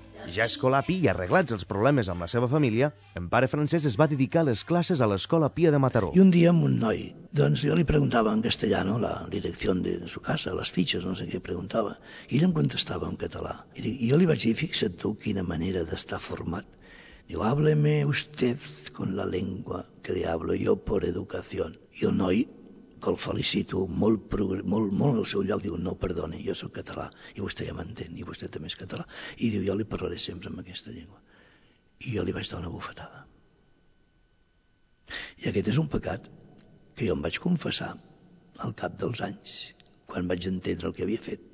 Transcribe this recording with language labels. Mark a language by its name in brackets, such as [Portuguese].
[Catalan] Ja escolapi i arreglats els problemes amb la seva família, en pare Francesc es va dedicar les classes a l'escola Pia de Mataró. I un dia amb un noi, doncs jo li preguntava en castellano la direcció de [Spanish] su casa, [Catalan] les fitxes, no sé què preguntava, i ell em contestava en català. I jo li vaig dir: fixa't tu quina manera d'estar format. [Spanish] Diu: hábleme usted con la lengua que le hablo yo por educación. [Catalan] I el noi, que el felicito molt al seu lloc, diu: [Spanish] no, perdone, [Catalan] jo sóc català, i vostè ja m'entén, i vostè també és català. I diu: jo li parlaré sempre amb aquesta llengua. I jo li vaig dar una bufetada. I aquest és un pecat que jo em vaig confessar al cap dels anys, quan vaig entendre el que havia fet.